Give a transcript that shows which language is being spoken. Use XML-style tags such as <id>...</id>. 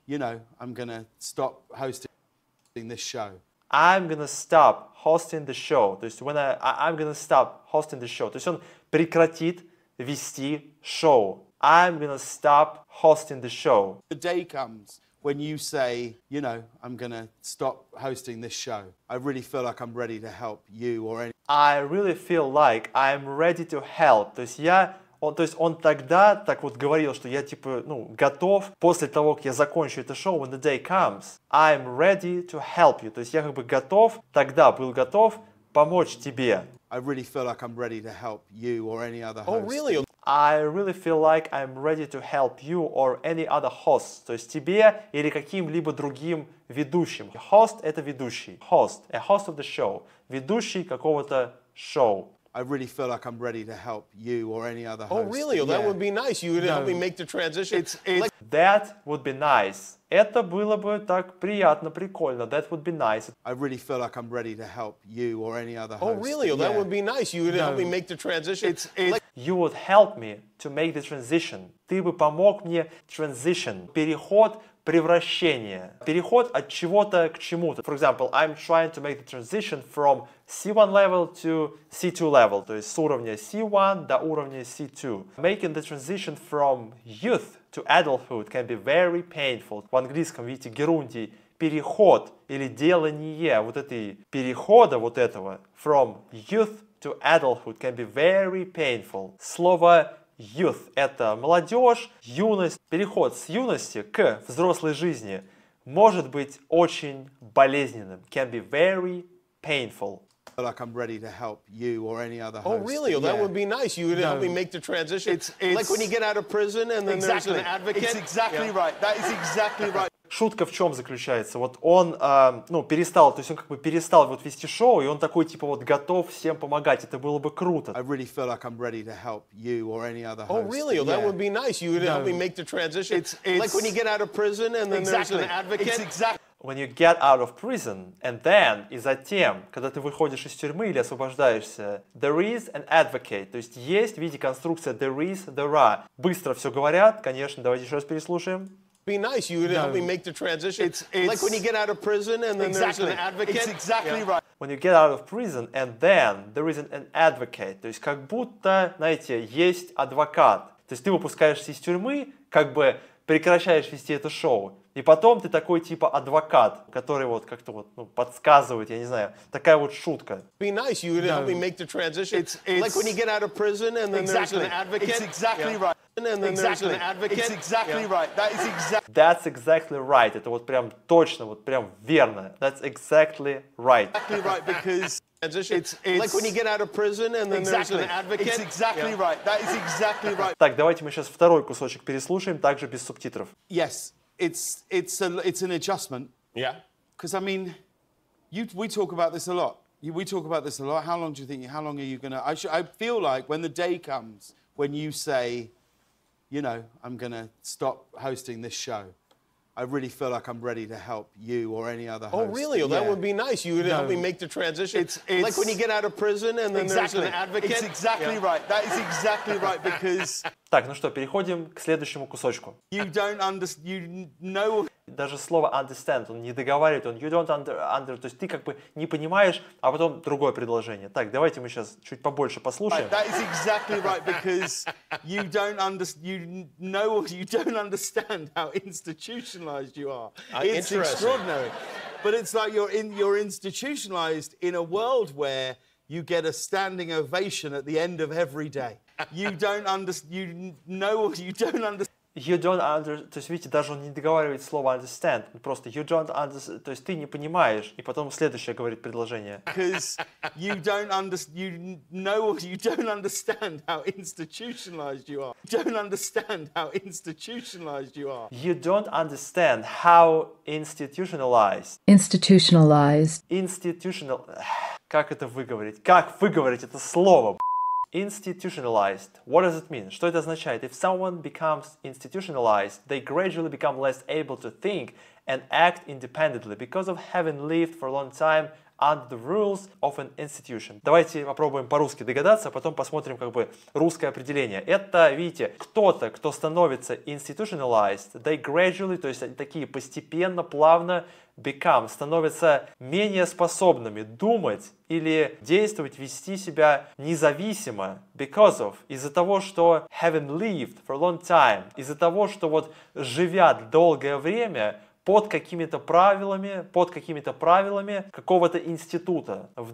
<en>you know, I'm gonna stop hosting this show. I'm gonna stop hosting the show.</en> <ru>То есть,</ru> <en>I'm gonna stop hosting the show.</en> <ru>То есть, он прекратит вести шоу.</ru> <en>I'm gonna stop hosting the show. The day comes when you say, you know, I'm gonna stop hosting this show. I really feel like I'm ready to help you or any. I really feel like I'm ready to help.</en> <ru>То есть, он тогда так вот говорил, что я типа, ну, готов после того, как я закончу это шоу,</ru> <en>when the day comes, I'm ready to help you.</en> <ru>То есть я как бы готов, тогда был готов помочь тебе.</ru> <en>I really feel like I'm ready to help you or any other host. Oh, really? I really feel like I'm ready to help you or any other host.</en> <ru>То есть тебе или каким-либо другим ведущим.</ru> <en>Host —</en> <ru>это ведущий.</ru> <en>Host. A host of the show.</en> <ru>Ведущий какого-то шоу.</ru> <en>I really feel like I'm ready to help you or any other host. Oh, really? Well, yeah. That would be nice. You would help me make the transition. It's... That would be nice.</en> <ru>Это было бы так приятно, прикольно.</ru> <en>That would be nice. I really feel like I'm ready to help you or any other host. Oh, really? Well, yeah. That would be nice. You would help me make the transition. You would help me to make the transition.</en> <ru>Ты бы помог мне transition. Переход, превращение. Переход от чего-то к чему-то.</ru> <en>For example, I'm trying to make the transition from C1 level to C2 level.</en> <ru>То есть с уровня C1 до уровня C2.</ru> <en>Making the transition from youth to adulthood can be very painful.</en> <ru>В английском, видите, герундий. Переход или делание вот этой перехода вот этого</ru> <en>from youth to adulthood can be very painful.</en> <ru>Слово youth — это молодежь, юность. Переход с юности к взрослой жизни может быть очень болезненным.</ru> <en>Can be very painful. Like I'm ready to help you or any other host. Oh, really? Well, that would be nice. You would help me make the transition. It's like when you get out of prison and then exactly, there's an advocate. It's exactly right. That is exactly right.</en> <ru>шутка в чем заключается? Вот он, ну, перестал, то есть он как бы перестал вот вести шоу, и он такой, типа, вот готов всем помогать, это было бы круто.</ru> <en>I really feel like I'm ready to help you or any other host. Oh, really? Well, that would be nice. You would help me make the transition. It's like when you get out of prison and then there's an advocate. It's exactly. When you get out of prison and then,</en> <ru>и затем, когда ты выходишь из тюрьмы или освобождаешься,</ru> <en>there is an advocate.</en> <ru>То есть есть в виде конструкции</ru> <en>there is, there are.</en> <ru>Быстро все говорят, конечно, давайте еще раз переслушаем.</ru> <en>Be nice, you would help me make the transition. It's like when you get out of prison and then there's an advocate. It's exactly right. When you get out of prison and then there is an advocate.</en> <ru>То есть как будто, знаете, есть адвокат. То есть ты выпускаешься из тюрьмы, как бы прекращаешь вести это шоу. И потом ты такой типа адвокат, который вот как-то вот ну, подсказывает, я не знаю, такая вот шутка.</ru> <en>Be nice, you would help me make the transition. It's like when you get out of prison and then there's an advocate. It's exactly right. And then there's an advocate. It's exactly right. That is exactly. That's exactly right.</en> <ru>Это вот прям точно, вот прям верно.</ru> <en>That's exactly right. Exactly right because it's like when you get out of prison and then there's an advocate. It's exactly right. That is exactly right.</en> <ru>Так, давайте мы сейчас второй кусочек переслушаем, также без субтитров.</ru> <en>Yes, it's an adjustment. Yeah. Because I mean, we talk about this a lot. We talk about this a lot. How long do you think? How long are you gonna? I feel like when the day comes when you say. You know, I'm gonna stop hosting this show. I really feel like I'm ready to help you or any other host. Oh, really? Well, that would be nice. You would help me make the transition. It's like when you get out of prison and then there's an advocate. It's exactly right. That is exactly right because.</en> <ru>Так, ну что, переходим к следующему кусочку.</ru> <en>You don't understand. You know.</en> <ru>Даже слово understand он не договаривает, он</ru> <en>you don't under,</en> <ru>то есть ты как бы не понимаешь, а потом другое предложение. Так, давайте мы сейчас чуть побольше послушаем.</ru> <en>That is exactly right because you don't understand, you know, you don't understand how institutionalized you are. It's extraordinary, but it's like you're institutionalized in a world where you get a standing ovation at the end of every day. You don't understand, you know, you don't understand. You don't understand,</en> <ru>то есть, видите, даже он не договаривает слово understand, он просто</ru> <en>you don't understand,</en> <ru>то есть, ты не понимаешь, и потом следующее говорит предложение.</ru> <en>Because you don't understand, you know, you don't understand how institutionalized you are. Don't understand how institutionalized you are. You don't understand how institutionalized. Institutionalized.</en> <ru>Institutional. Как это выговорить? Как выговорить это слово, institutionalized.</ru> <en>What does it mean?</en> <ru>Что это означает?</ru> <en>If someone becomes institutionalized, they gradually become less able to think and act independently because of having lived for a long time under the rules of an institution.</en> <ru>Давайте попробуем по-русски догадаться, а потом посмотрим как бы русское определение. Это, видите, кто-то, кто становится institutionalized,</ru> <en>they gradually,</en> <ru>то есть они такие постепенно, плавно become, становятся менее способными думать или действовать, вести себя независимо</ru> <en>because of,</en> <ru>из-за того, что</ru> <en>having lived for a long time,</en> <ru>из-за того, что вот живят долгое время под какими-то правилами, какого-то института.</ru>